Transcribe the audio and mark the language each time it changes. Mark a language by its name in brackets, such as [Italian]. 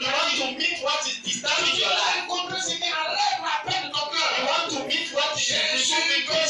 [English] You want to meet what is disturbing your life. [French] Je vais raconter ce qui enlève la peine de ton cœur. [English] You want to meet what is disturbing your life.